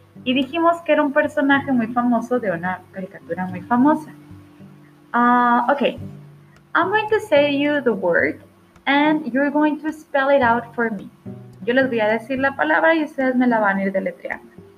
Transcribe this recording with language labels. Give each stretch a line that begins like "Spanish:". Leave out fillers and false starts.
Spanish: Y dijimos que era un personaje muy famoso de una caricatura muy famosa.
English: Okay. I'm going to say you the word and you're going to spell it out for me.
Spanish: Yo les voy a decir la palabra y ustedes me la van a ir deletreando.